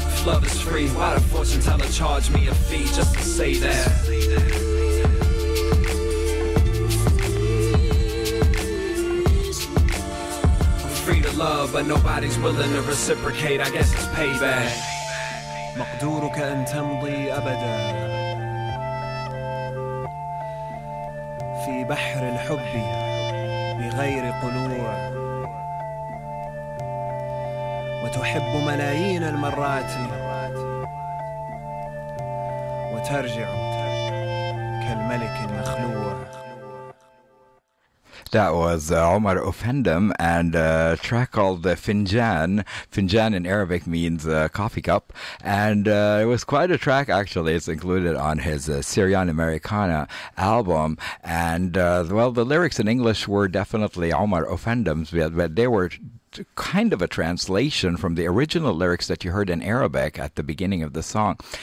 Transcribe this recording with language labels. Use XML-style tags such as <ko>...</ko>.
<en>Love is free, why the fortune teller charge me a fee just to say that? Love, but nobody's willing to reciprocate, I guess it's payback.</en> <ar>مقدورك أن تمضي أبدا في بحر الحب بغير قلوع وتحب ملايين المرات وترجع كالملك المخلوع.</ar> <en>That was Omar Offendum and a track called Finjan. Finjan in Arabic means coffee cup. And it was quite a track, actually. It's included on his Syrian American album. And, well, the lyrics in English were definitely Omar Offendum's, but they were kind of a translation from the original lyrics that you heard in Arabic at the beginning of the song.</en>